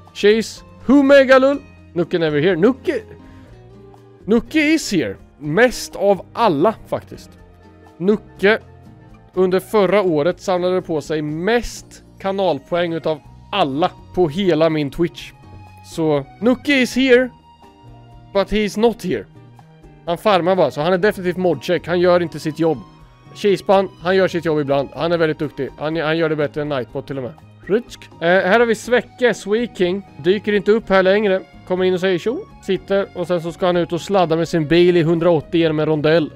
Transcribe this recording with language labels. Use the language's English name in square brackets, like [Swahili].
[English] Chase, Humegalul. Nucke never here. Nucke is here. [Swedish] Mest av alla faktiskt. Nucke under förra året samlade på sig mest kanalpoäng utav alla på hela min Twitch. Så [English] Nucke is here, but he is not here. [Swedish] Han farmar bara, så han är definitivt modcheck. Han gör inte sitt jobb. Cheesepan, han gör sitt jobb ibland. Han är väldigt duktig. Han gör det bättre än Nightbot till och med. Rutsk. Här har vi Svecke, Sweeking. Dyker inte upp här längre. Kommer in och säger tjo. Sitter, och sen så ska han ut och sladda med sin bil i 180 genom en rondell.